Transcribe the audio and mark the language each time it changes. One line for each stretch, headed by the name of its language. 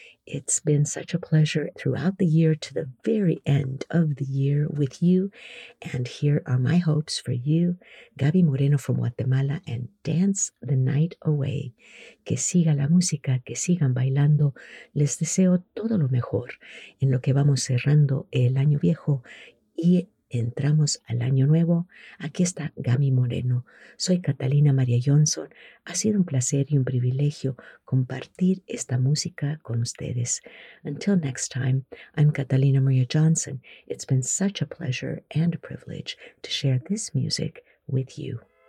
English: It's been such a pleasure throughout the year to the very end of the year with you. And here are my hopes for you, Gaby Moreno from Guatemala, and Dance the Night Away.
Spanish: Que siga la música, que sigan bailando. Les deseo todo lo mejor en lo que vamos cerrando el año viejo y entramos al año nuevo. Aquí está Gaby Moreno. Soy Catalina María Johnson. Ha sido un placer y un privilegio compartir esta música con ustedes.
English: Until next time, I'm Catalina María Johnson. It's been such a pleasure and a privilege to share this music with you.